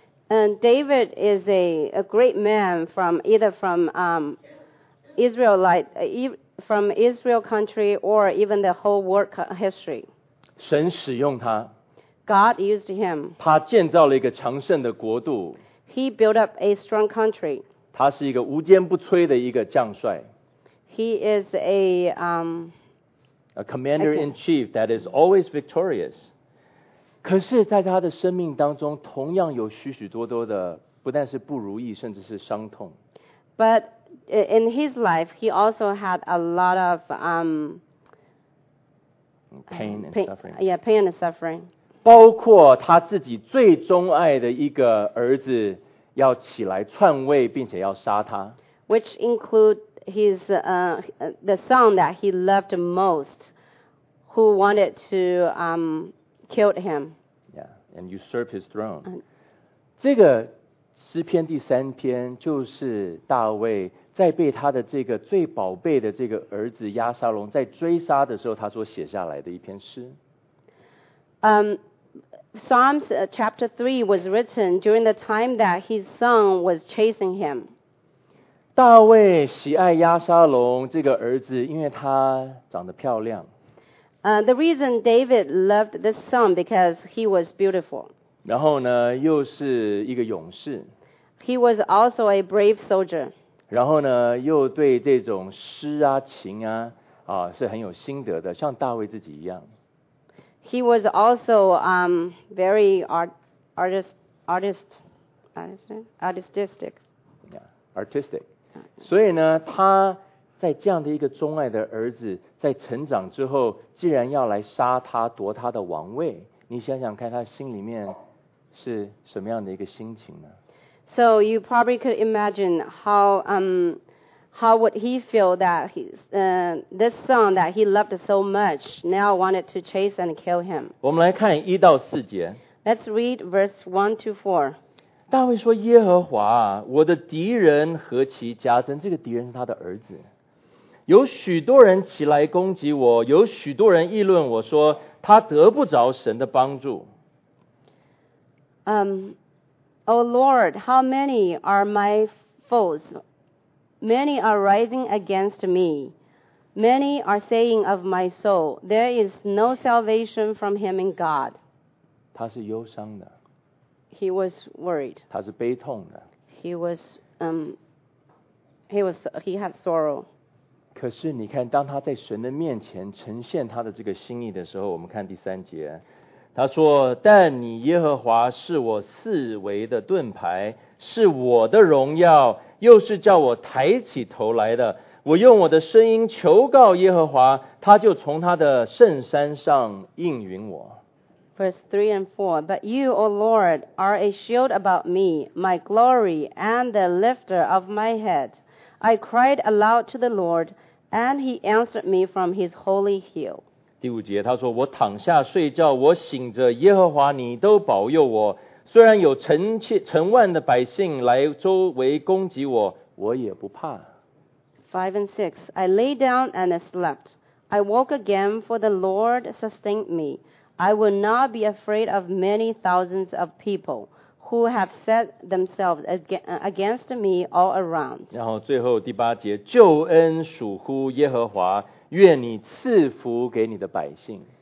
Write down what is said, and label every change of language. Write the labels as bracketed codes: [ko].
[en] David is a great man from either from Israelite, from Israel country or even the whole world history. [zh] 神使用他。 [en] God used him. [zh] 他建造了一个强盛的国度。 [en] He built up a strong country. [zh] 他是一个无坚不摧的一个将帅。 [en] He is a, a commander in chief that is always victorious. [zh] 可是在他的生命当中同样有许许多多的不但是不如意甚至是伤痛。 [en] But,In his life, he also had a lot of pain and suffering. [zh] 包括他自己最钟爱的一个儿子要起来篡位，并且要杀他。 [en] Which include his the son that he loved most, who wanted to kill him. Yeah, and usurp his throne. [zh] 这个诗篇第三篇就是大卫。在被他的这个最宝贝的这个儿子亚沙龙在追杀的时候，他所写下来的一篇诗。 [en] Psalms chapter 3 was written during the time that his son was chasing him. [zh] 大卫喜爱亚沙龙这个儿子，因为他长得漂亮。 [en] The reason David loved this son because he was beautiful. [zh] 然后呢，又是一个勇士。 [en] He was also a brave soldier. [zh] 然后呢，又对这种诗啊、情啊，啊是很有心得的，像大卫自己一样。 [en] He was also very artistic. Yeah, artistic. [zh] 所以呢，他在这样的一个钟爱的儿子在成长之后，既然要来杀他、夺他的王位，你想想看，他心里面是什么样的一个心情呢？ [en] So you probably could imagine how would he feel that this son that he loved so much now wanted to chase and kill him. [zh] 我们来看一到四节。 [en] Let's read verse 1-4. [zh] 大卫说：“耶和华，我的敌人何其加增！这个敌人是他的儿子。有许多人起来攻击我，有许多人议论我说他得不着神的帮助。” [en] O Lord, how many are my foes? Many are rising against me. Many are saying of my soul, there is no salvation from him in God. [zh] 他是忧伤的。 [en] He was worried. [zh] 他是悲痛的。 [en] He had sorrow. [zh] 可是你看，当他在神的面前呈现他的这个心意的时候，我们看第三节。他说：“但你耶和华是我四围的盾牌，是我的荣耀，又是叫我抬起头来的。我用我的声音求告耶和华，他就从他的圣山上应允我。 [en] Verse 3 and 4, But you, O Lord, are a shield about me, my glory, and the lifter of my head. I cried aloud to the Lord, and he answered me from his holy hill. [zh] 第五节他说，我躺下睡觉，我醒着，耶和华你都保佑我。虽然有成万的百姓来周围攻击我，我也不怕。 [en] 5 and 6, I lay down and slept. I woke again, for the Lord sustained me. I will not be afraid of many thousands of people who have set themselves against me all around. [zh] 然后最后第八节，救恩属乎耶和华，愿你赐福给你的百姓。